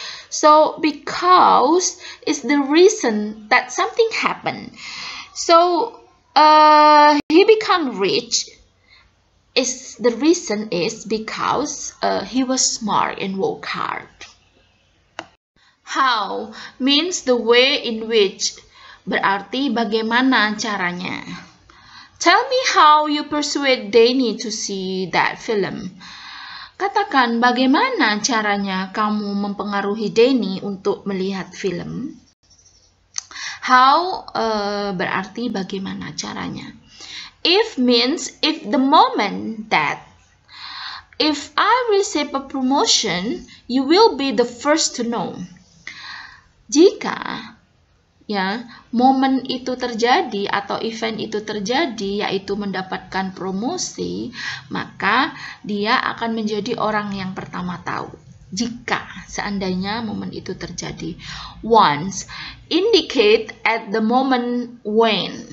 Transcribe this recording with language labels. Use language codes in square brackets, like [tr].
[en] So because is the reason that something happened. So he become rich is the reason is because he was smart and work hard. How means the way in which. [id] Berarti bagaimana caranya? [en] Tell me how you persuade Danny to see that film. [id] Katakan bagaimana caranya kamu mempengaruhi Danny untuk melihat film. How berarti bagaimana caranya? [en] If means if the moment that. If I receive a promotion, you will be the first to know. [id] Jika ya, momen itu terjadi atau event itu terjadi yaitu mendapatkan promosi, maka dia akan menjadi orang yang pertama tahu. Jika seandainya momen itu terjadi. [en] Once indicate at the moment when.